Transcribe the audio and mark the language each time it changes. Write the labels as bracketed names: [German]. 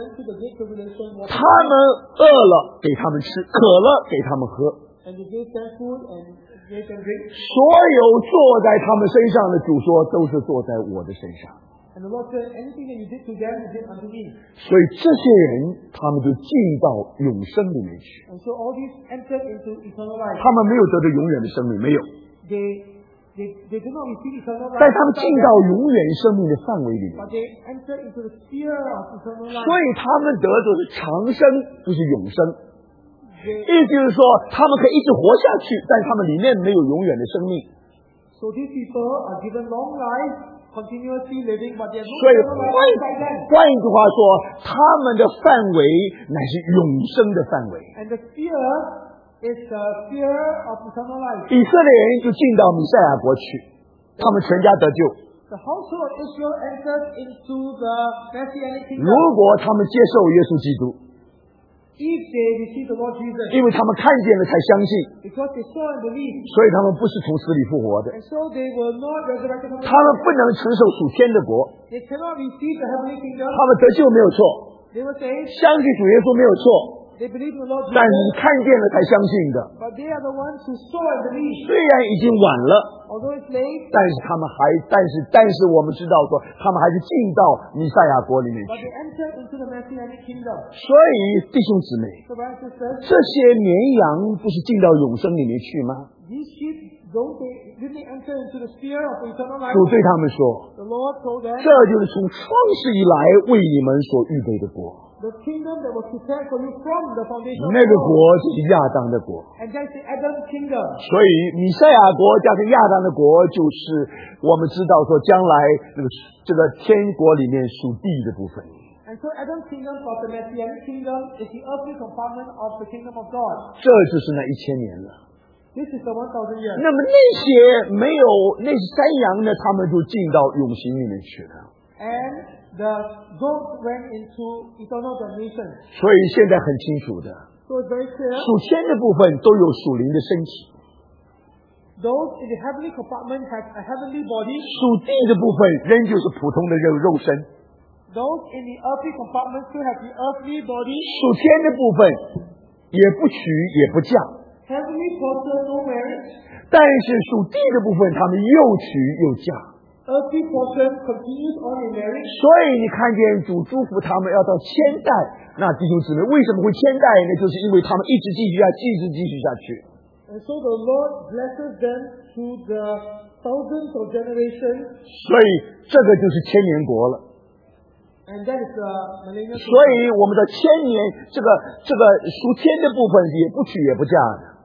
[Chinese] 他们饿了给他们吃，渴了给他们喝。所有坐在他们身上的主说，都是坐在我的身上。所以这些人他们就进到永生里面去。 [English] And so all these entered into eternal life. [Chinese] 他们没有得到永远的生命，没有。 [English] They did not receive eternal life. [Chinese] 但他们进到永远生命的范围里面。 [English] But they entered into the sphere of eternal life. [Chinese] 所以他们得到的长生就是永生。意思就是说他们可以一直活下去，但他们里面没有永远的生命。 [English] So these people are given long life. [Chinese] 所以换一句话说，他们的范围乃是永生的范围。 [English] And the sphere is the sphere of eternal life. [Chinese] 以色列人就进到弥赛亚国去，他们全家得救。 [English] The household of Israel entered into the Messianic kingdom. [Chinese] 如果他们接受耶稣基督。 [English] If they receive the Lord Jesus, [Chinese] 因为他们看见了才相信 [English] because they saw and believed, [Chinese] 所以他们不是从死里复活的 [English] and so they were not resurrected from [Chinese] 他们不能承受属天的国 [English] they cannot receive the heavenly kingdom, [Chinese] 他们得救没有错 [English] they were saved, [Chinese] 相信主耶稣没有错 [English] they believed in the Lord Jesus, [Chinese] 但是看见了才相信的 [English] but they are the ones who saw and believed, [Chinese] 虽然已经晚了 [English] although it's late, [Chinese] 但是他们还但是我们知道说他们还是进到弥赛亚国里面去所以弟兄姊妹这些绵羊不是进到永生里面去吗主对他们说这就是从创世以来为你们所预备的国那个国是亚当的国所以弥赛亚国加上亚当的国就是我们知道说将来这个天国里面属地的部分 [English] And so Adam's kingdom for the Messianic kingdom is the earthly compartment of the kingdom of God. [Chinese] 这就是那一千年了。 [English] This is the 1,000 years. [Chinese] 那么那些没有那些山羊呢？他们就进到永刑里面去了。 [English] And the goat went into eternal damnation. [Chinese] 所以现在很清楚的。 [English] So it's very clear. [Chinese] 属天的部分都有属灵的身体。 [English] Those in the heavenly compartment have a heavenly body. [Chinese] 属地的部分仍旧是普通的肉身。 [English] Those in the earthly compartment still have the earthly body. [Chinese] 属天的部分也不娶也不嫁。 [English] Heavenly portion no marriage. [Chinese] 但是属地的部分他们又娶又嫁。 [English] Earthly portion continues on in marriage. [Chinese] 所以你看见主祝福他们要到千代，那弟兄姊妹为什么会千代呢？就是因为他们一直继续下去，一直继续下去。 [English] And so the Lord blesses them to the thousands of generations. [Chinese] 所以这个就是千年国了。 [English] And that is the millennial kingdom. [Chinese] 所以我们的千年这个属天的部分也不娶也不嫁的。